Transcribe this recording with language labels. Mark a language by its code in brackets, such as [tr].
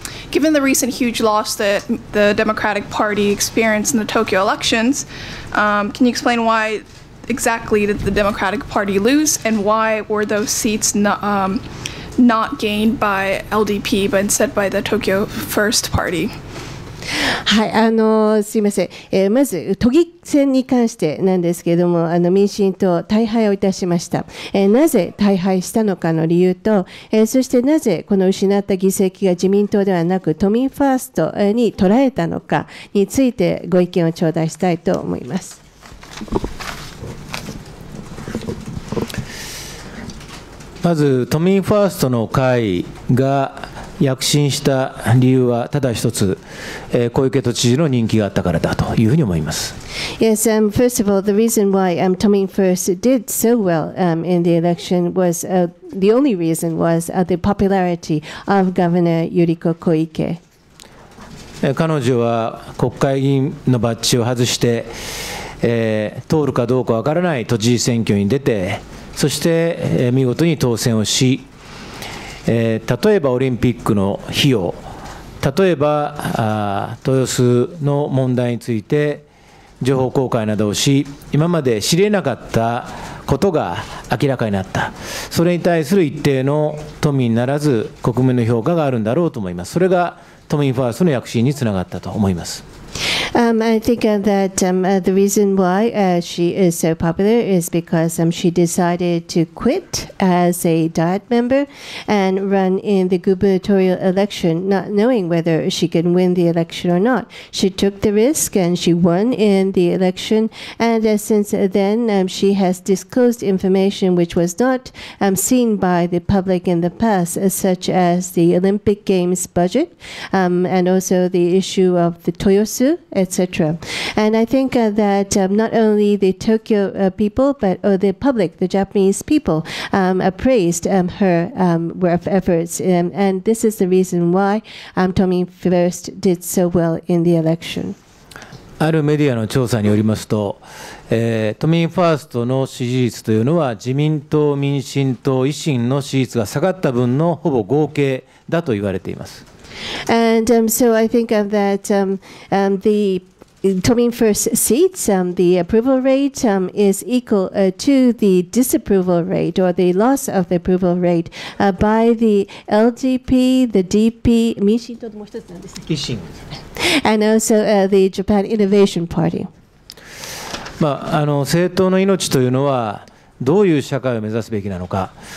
[en] Given the recent huge loss that the Democratic Party experienced in the Tokyo elections, can you explain why exactly did the Democratic Party lose and why were those seats not gained by LDP but instead by the Tokyo First Party? [ja] はい、すみません、まず都議選に関してなんですけれども、民進党大敗をいたしました、なぜ大敗したのかの理由と、そしてなぜこの失った議席が自民党ではなく都民ファーストに取られたのかについてご意見を頂戴したいと思います。まず都民ファーストの会が躍進した理由はただ一つ、小池都知事の人気があったからだというふうに思います。 [en] Yes, first of all, the reason why Tomin First did so well in the election was the only reason was the popularity of Governor Yuriko Koike. [ja] 彼女は国会議員のバッジを外して、通るかどうかわからない都知事選挙に出て、そして、見事に当選をし、例えばオリンピックの費用、例えば豊洲の問題について情報公開などをし、今まで知り得なかったことが明らかになった、それに対する一定の都民ならず国民の評価があるんだろうと思います。それが都民ファーストの躍進につながったと思います。 [en] I think that the reason why she is so popular is because she decided to quit as a Diet member and run in the gubernatorial election, not knowing whether she can win the election or not. She took the risk and she won in the election. And since then, she has disclosed information which was not seen by the public in the past, such as the Olympic Games budget and also the issue of the Toyosu. Etc. And I think that not only the Tokyo people, but the public, the Japanese people, appraised her work efforts. And this is the reason why Tomin First did so well in the election. [ja] あるメディアの調査によりますと、都民ファーストの支持率というのは自民党、民進党、維新の支持率が下がった分のほぼ合計だと言われています。 [en] And so I think that the Tomin First seats, the approval rate is equal to the disapproval rate or the loss of the approval rate by the LDP, the DP, [ja] 民進党ともう一つなんですね。維新。 [en] And also the Japan Innovation Party. [ja] まあ、政党の命というのはどういう社会を目指すべきなのか。